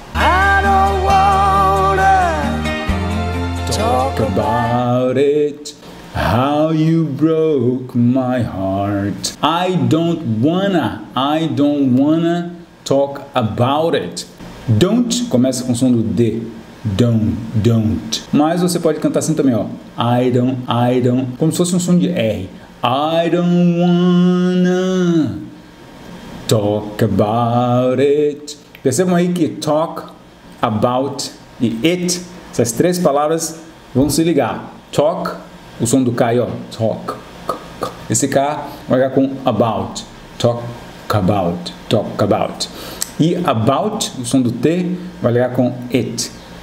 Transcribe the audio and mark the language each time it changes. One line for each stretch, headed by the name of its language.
English: I don't wanna talk about it. How you broke my heart. I don't wanna talk about it.
Portuguese: Don't começa com o som do D. Don't. Mas você pode cantar assim também, ó.
English: I don't.
Portuguese: Como se fosse um som de R.
English: I don't wanna talk about it.
Portuguese: Percebam aí que talk, about e it, essas três palavras vão se ligar. Talk, o som do K aí, ó. Talk. Esse K vai ligar com about.
English: Talk about.
Portuguese: E about, o som do T, vai ligar com it.